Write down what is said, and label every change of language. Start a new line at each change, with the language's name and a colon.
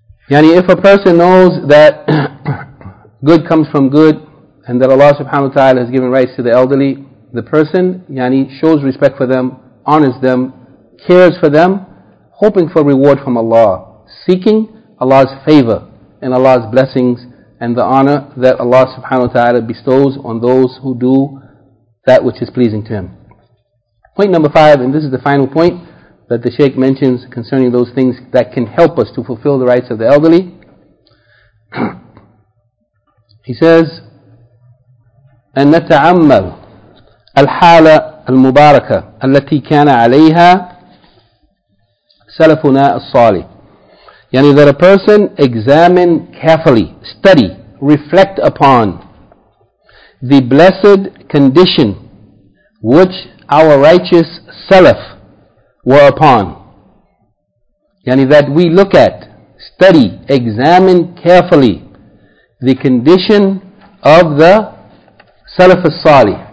English: Yani if a person knows that good comes from good and that Allah subhanahu wa ta'ala has given rights to the elderly, the person yani shows respect for them, honors them, cares for them, hoping for reward from Allah, seeking Allah's favor and Allah's blessings and the honor that Allah subhanahu wa ta'ala bestows on those who do that which is pleasing to him. Point number five, and this is the final point that the Shaykh mentions concerning those things that can help us to fulfill the rights of the elderly. He says,
Arabic: أن نتعمل الحالة المباركة التي كان عليها سلفنا الصالح.
English: Yani that a person examine carefully, study, reflect upon the blessed condition which our righteous salaf were upon. Yani that we look at, study, examine carefully the condition of the salaf as-salih.